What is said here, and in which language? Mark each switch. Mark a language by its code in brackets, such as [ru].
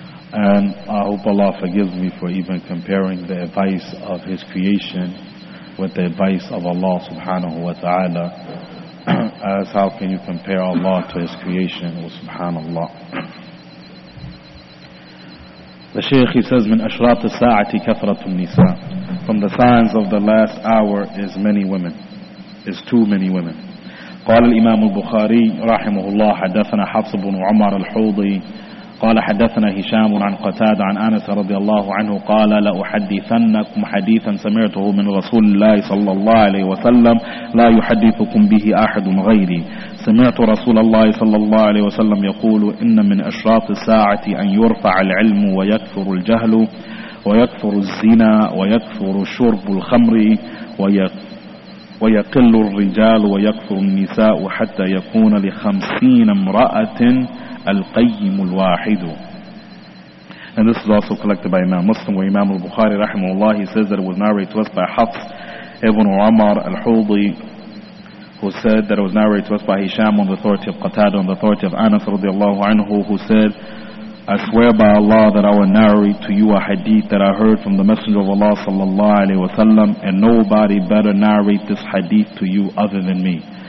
[en] And I hope Allah forgives me for even comparing the advice of His creation with the advice of Allah subhanahu wa ta'ala. As how can you compare Allah to His creation? Well, subhanallah. The Shaykh, he says, [ar] من أشراط الساعة كثرة النساء. [en] From the signs of the last hour is many women, is too many women. [ar] قال الإمام البخاري رحمه الله حدثنا حفص بن عمر الحوضي قال حدثنا هشام عن قتادة عن أنس رضي الله عنه قال لأحدثنكم حديثا سمعته من رسول الله صلى الله عليه وسلم لا يحدثكم به أحد غيري. سمعت رسول الله صلى الله عليه وسلم يقول إن من أشراط الساعة أن يرفع العلم ويكثر الجهل ويكثر الزنا ويكثر شرب الخمر ويقل الرجال ويكثر النساء حتى يكون لخمسين امرأة القيم الواحد. [en] And this is also collected by Imam Muslim. Where Imam al-Bukhari rahimahullah, he says that it was narrated to us by Hafs ibn Umar al-Hudi, who said that it was narrated to us by Hisham on the authority of Qatada, on the authority of Anas radiallahu anhu, who said, I swear by Allah that I will narrate to you a hadith that I heard from the Messenger of Allah sallallahu alayhi wa sallam, and nobody better narrate this hadith to you other than me.